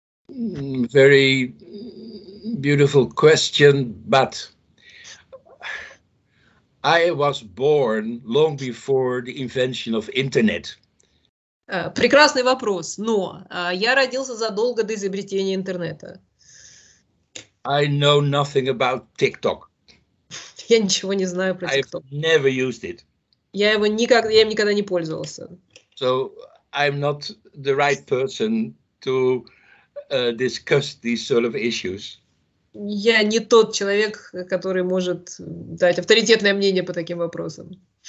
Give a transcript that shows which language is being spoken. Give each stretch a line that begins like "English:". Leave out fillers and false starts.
English: Very beautiful question, but I was born long before the invention of internet.
Russian: Прекрасный вопрос, но я родился задолго до изобретения интернета.
English: I know nothing about TikTok.
Russian: Я ничего не знаю про TikTok.
English: I've never used it.
Russian: Я им никогда не пользовался.
English: So I'm not the right person to discuss these sort of issues.
Russian: Я не тот человек, который может дать авторитетное мнение по таким вопросам.